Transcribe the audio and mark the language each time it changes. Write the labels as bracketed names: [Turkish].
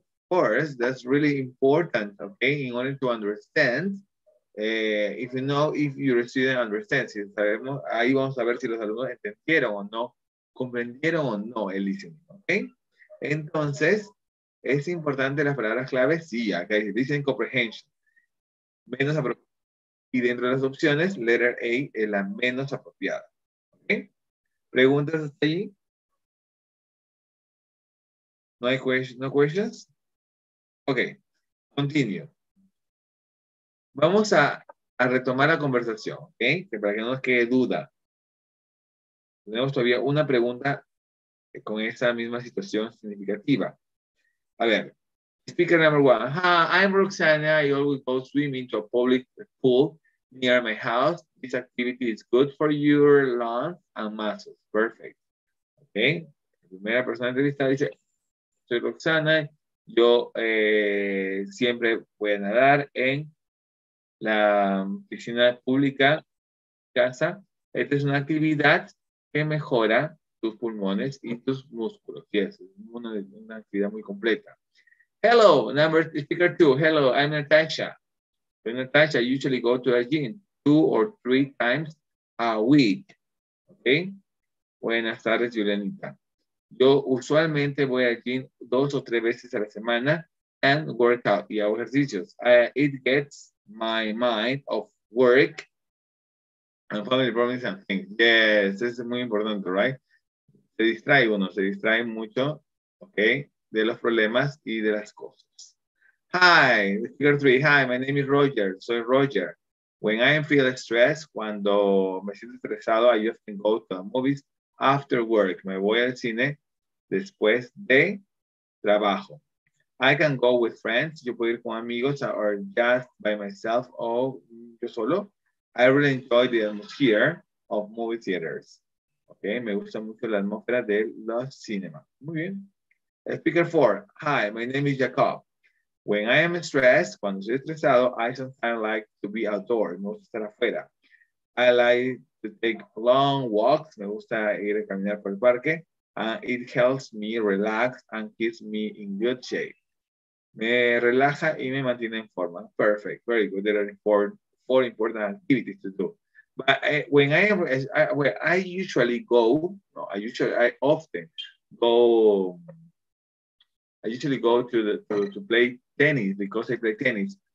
[English] Course, that's really important, okay, in order to understand if you know if your student understands. [Spanish] Si sabemos, ahí vamos a ver si los alumnos entendieron o no, comprendieron o no el listening, okay? Entonces, ¿es importante las palabras claves? Sí, acá dice listening comprehension. Menos apropiada. Y dentro de las opciones, letter A es la menos apropiada. Okay? ¿Preguntas hasta allí? ¿No hay questions? ¿No questions? Ok, continuo. Vamos a retomar la conversación, ¿ok? Para que no nos quede duda. Tenemos todavía una pregunta con esa misma situación significativa. A ver, [English] speaker number one. Hi, I'm Roxana. I always go swimming to a public pool near my house. This activity is good for your lungs and muscles. Perfect. [Spanish] Ok, la primera persona entrevistada dice, soy Roxana. Yo siempre voy a nadar en la piscina pública casa. Esta es una actividad que mejora tus pulmones y tus músculos. Yes, es una actividad muy completa. [English] Hello, number speaker two. Hello, I'm Natasha. I'm Natasha, I usually go to the gym 2 or 3 times a week. Okay? [Spanish] Buenas tardes, Julianita. Yo usualmente voy al gym 2 o 3 veces a la semana [English] and work out, [Spanish] y hago ejercicios. [English] It gets my mind off work and family problems and things. [Spanish] Yes, es muy importante, right? Se distrae uno, se distrae mucho, okay, de los problemas y de las cosas. [English] Hi, speaker 3. Hi, my name is Roger. [Spanish] Soy Roger. [English] When I feel stressed, [Spanish] cuando me siento estresado, [English] I often go to the movies after work. [Spanish] Me voy al cine después de trabajo. [English] I can go with friends. [Spanish] Yo puedo ir con amigos [English] or just by myself [Spanish] o yo solo. [English] I really enjoy the atmosphere of movie theaters. [Spanish] Okay, me gusta mucho la atmósfera de los cinemas. Muy bien. [English] Speaker 4. Hi, my name is Jacob. When I am stressed, [Spanish] cuando estoy estresado, [English] I sometimes like to be outdoors. [Spanish] Me gusta estar afuera. [English] I like to take long walks. [Spanish] Me gusta ir a caminar por el parque. [English] It helps me relax and keeps me in good shape. [Spanish] Me relaja y me mantiene en forma. [English] Perfect. Very good. There are four important activities to do. But I usually go to play tennis because I play tennis.